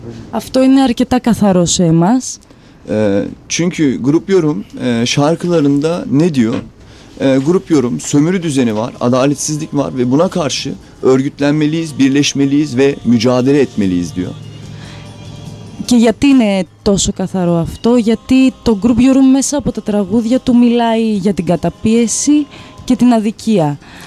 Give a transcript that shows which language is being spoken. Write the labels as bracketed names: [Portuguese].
[Greek] Αυτό είναι αρκετά καθαρό σε εμάς. [Turkish] Çünkü Group Your Room şarkılarında ne diyor? Grup yorum, sömürü düzeni var, adaletsizlik var ve buna karşı örgütlenmeliyiz, birleşmeliyiz ve mücadele etmeliyiz diyor. [Greek] Και γιατί είναι τόσο καθαρό αυτό, γιατί το group yorum μέσα από τα τραγούδια του μιλάει για την καταπίεση και την αδικία.